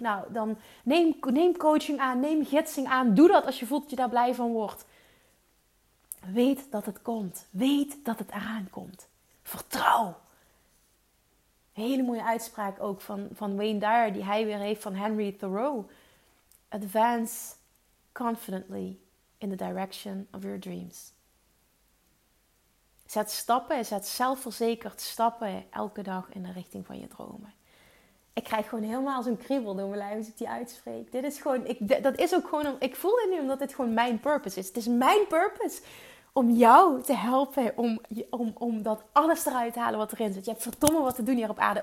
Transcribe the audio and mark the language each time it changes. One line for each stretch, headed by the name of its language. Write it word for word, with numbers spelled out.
Dutch: Nou, dan neem, neem coaching aan. Neem gidsing aan. Doe dat als je voelt dat je daar blij van wordt. Weet dat het komt. Weet dat het eraan komt. Vertrouw. Een hele mooie uitspraak ook van, van Wayne Dyer, die hij weer heeft van Henry Thoreau.
English: Advance confidently in the direction of your dreams.
Dutch: Zet stappen, zet zelfverzekerd stappen elke dag in de richting van je dromen. Ik krijg gewoon helemaal zo'n kriebel door mijn lijf als ik die uitspreek. Dit is gewoon, ik, dat is ook gewoon, ik voel dit nu omdat dit gewoon mijn purpose is. Het is mijn purpose om jou te helpen, om, om, om dat alles eruit te halen wat erin zit. Je hebt verdomme wat te doen hier op aarde.